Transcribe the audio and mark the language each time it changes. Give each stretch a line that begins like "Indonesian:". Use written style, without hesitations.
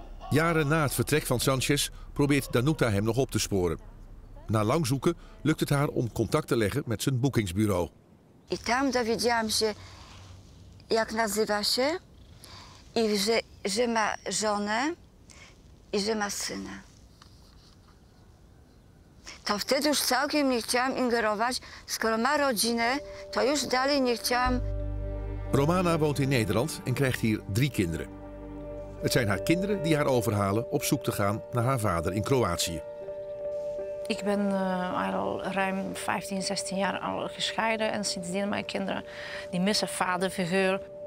Dutch: Jaren na het vertrek van Sanchez probeert Danuta hem nog op te sporen. Na lang zoeken lukt het haar om contact te leggen met zijn boekingsbureau.
Polish: I tam dowiedziałam się, jak nazywa się i że ma żonę i że ma syna. To wtedy już całkiem nie chciałam ingerować, skoro ma rodzinę, to już dalej nie chciałam.
Dutch: Romana woont in Nederland en krijgt hier 3 kinderen. Het zijn haar kinderen die haar overhalen op zoek te gaan naar haar vader in Kroatië. Ik ben al ruim 15, 16 jaar al gescheiden en sindsdien mijn kinderen die missen vaderfiguur.